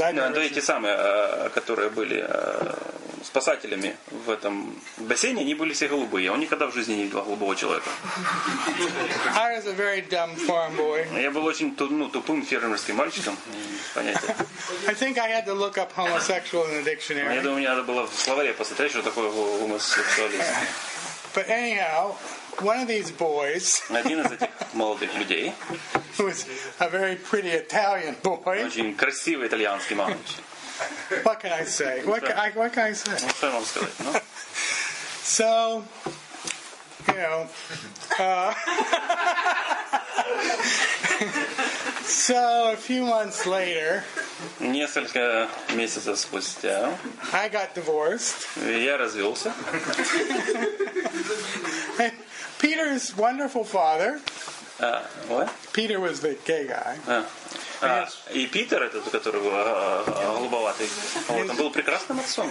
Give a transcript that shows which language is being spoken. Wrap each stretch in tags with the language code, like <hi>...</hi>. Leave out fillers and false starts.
<ru>Эти самые, которые были спасателями в этом бассейне, они были все голубые. Он никогда в жизни не видел голубого человека.</ru> <en>I was a very dumb farm boy.</en> <ru>Я был очень тупым фермерским мальчиком.</ru> <en>I think I had to look up homosexual in the dictionary.</en> <ru>Я думаю, мне надо было в словаре посмотреть, что такое гомосексуализм.</ru> <en>But anyhow, one of these boys.</en> <ru>Один из этих молодых людей.</ru> <en>Who was a very pretty Italian boy.</en> <ru>Очень красивый итальянский мальчик.</ru> <en>What can I say? What can I say?</en> <ru>Что я могу сказать?</ru> <en>So, you know, so a few months later,</en> <ru>несколько месяцев спустя,</ru> <en>I got divorced.</en> <ru>Я развелся.</ru> <en>Peter's wonderful father. What? Peter was the gay guy.</en> <ru>И Питер этот, который голубоватый, он был прекрасным отцом.</ru>